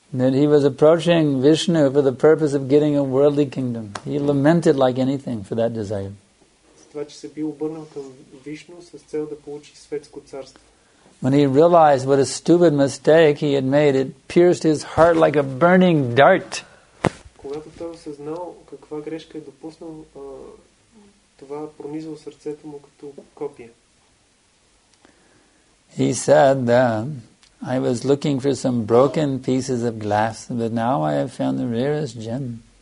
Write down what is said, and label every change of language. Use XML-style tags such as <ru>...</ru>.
<en>That he was approaching Vishnu for the purpose of getting a worldly kingdom. He lamented like anything for that desire.</en> <bg>Затова, че се бил обърнал към Вишну с цел да получи светско царство.</bg> <en>When he realized what a stupid mistake he had made, it pierced his heart like a burning dart.</en> <bg>Когато той осъзнал каква грешка е допуснал, това пронизало сърцето му като копие.</bg> <en>He said that I was looking for some broken pieces of glass, but now I have found the rarest gem.</en>